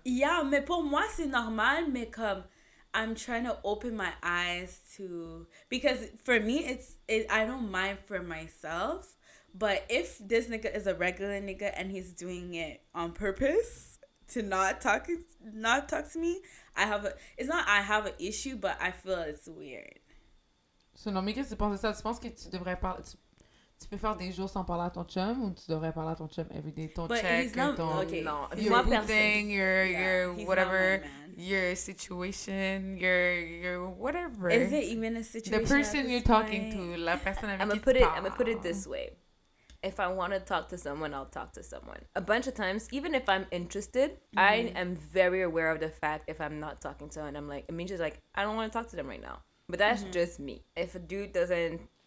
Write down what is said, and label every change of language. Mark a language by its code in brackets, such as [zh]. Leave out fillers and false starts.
[en] Yeah, [fr] mais pour moi c'est normal, mais comme [en] I'm trying to open my eyes to, because for me it's I don't mind for myself, but if this nigga is a regular nigga and he's doing it on purpose to not talk to me, it's not I have an issue, but I feel it's weird. [fr] Non, mais qu'est-ce que tu penses de ça? Tu penses que tu devrais parler... Tu peux faire des jours sans parler à ton chum, ou tu devrais parler à ton chum [en] every day? [fr] Ton [en] but check, not, [fr] ton... [en] Okay. Your thing, your whatever, your situation, your whatever. Is it even a situation? The person you're talking to, [fr] la personne avec qui tu parles. [en] I'm gonna put it this way. If I want to talk to someone, I'll talk to someone. A bunch of times, even if I'm interested, mm-hmm. I am very aware of the fact if I'm not talking to someone, I'm like, it means just like, I don't want to talk to them right now. But that's mm-hmm. just me. If a dude doesn't